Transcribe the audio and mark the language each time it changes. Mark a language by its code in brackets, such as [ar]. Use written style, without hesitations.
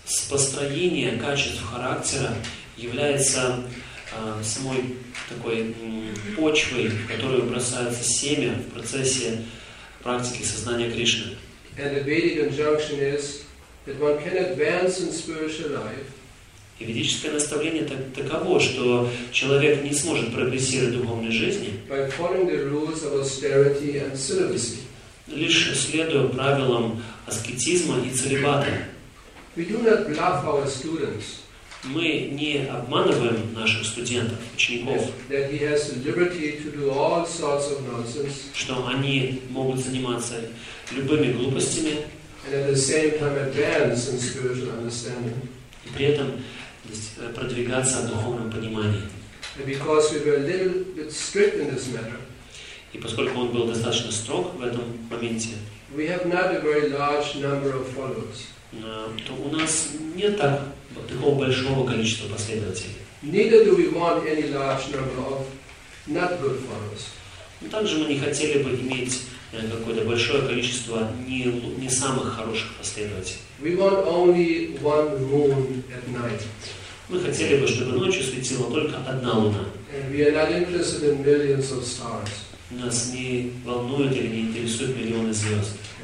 [ru] Построение качеств характера является самой такой почвой, в которую бросается семя в процессе практики сознания Кришны. [en] And the Vedic injunction is that one can advance in spiritual life. [ru] И ведическое наставление таково, что человек не сможет прогрессировать в духовной жизни, [en] by following the rules of austerity and celibacy. [ru] Лишь следуя правилам аскетизма и целибата. [en] We do not bluff our students. [ru] Мы не обманываем наших студентов, учеников, [en] that he has the liberty to do all sorts of nonsense. [ru] Что они могут заниматься любыми глупостями. [en] And at the same time advance in spiritual understanding. [ru] И при этом продвигаться в духовном понимании. [en] And because we were a little bit strict in this matter. [ru] И поскольку он был достаточно строг в этом моменте. [en] We have not a very large number of followers. [ru] То у нас нет так, вот, такого большого количества последователей. [en] Neither do we want any large number of not good followers. [ru] Но также мы не хотели бы иметь какое-то большое количество не самых хороших последователей. [en] We want only one moon at night. [ru] Мы хотели бы, чтобы ночью светила только одна луна. [en] And we are not interested in millions of stars. [ru] Нас не волнует или не интересуют миллионы звезд.